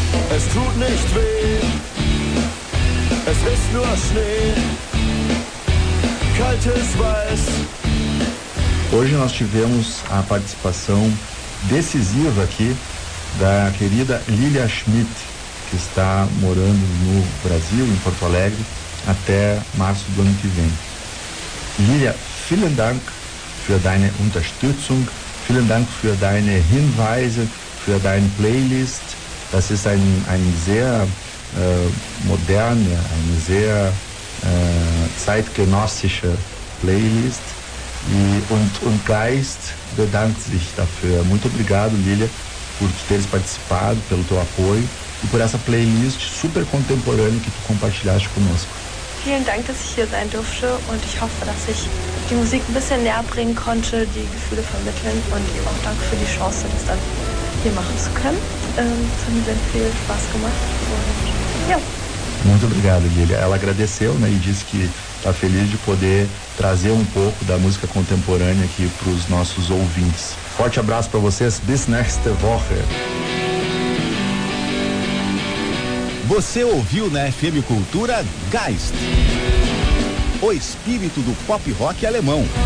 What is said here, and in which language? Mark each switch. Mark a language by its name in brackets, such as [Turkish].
[German] Es tut nicht weh, es ist nur Schnee, kaltes Weiß. [Portuguese] Hoje nós tivemos a participação decisiva aqui da querida Lilia Schmidt, que está morando no Brasil, em Porto Alegre, até março do ano que vem. [German] Lilia, vielen Dank für deine Unterstützung, vielen Dank für deine Hinweise, für deine Playlist. Das ist ein sehr moderne, eine sehr zeitgenössische Playlist. Und Geist bedankt sich dafür. [Portuguese] Muito obrigado, Lilia, por teres participado, pelo teu apoio e por essa playlist super contemporânea que tu compartilhaste conosco. [German] Vielen Dank, dass ich hier sein durfte und ich hoffe, dass ich die Musik ein bisschen näher bringen konnte, die Gefühle vermitteln und eben auch danke für die Chance, das dann hier machen zu können. Es hat mir sehr viel Spaß gemacht und ja. [Portuguese] Muito obrigado, Lilia. Ela agradeceu, né, e disse que está feliz de poder trazer um pouco da música contemporânea aqui para os nossos ouvintes. Forte abraço para vocês. [German] Bis nächste Woche. [Portuguese] Você ouviu na FM Cultura Geist, o espírito do pop rock alemão.